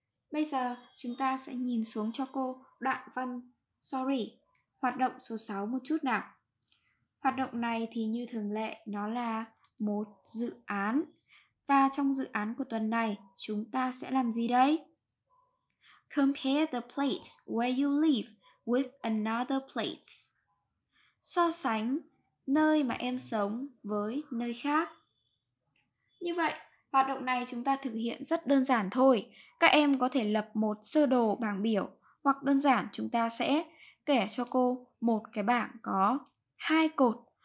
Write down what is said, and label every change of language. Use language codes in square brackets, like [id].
[vi] Bây giờ chúng ta sẽ nhìn xuống cho cô đoạn văn sorry, hoạt động số 6 một chút nào. Hoạt động này thì như thường lệ nó là một dự án. Và trong dự án của tuần này chúng ta sẽ làm gì đây? [en] Compare the place where you live with another place. [vi] So sánh nơi mà em sống với nơi khác. Như vậy, hoạt động này chúng ta thực hiện rất đơn giản thôi. Các em có thể lập một sơ đồ bảng biểu, hoặc đơn giản chúng ta sẽ kể cho cô một cái bảng có hai cột.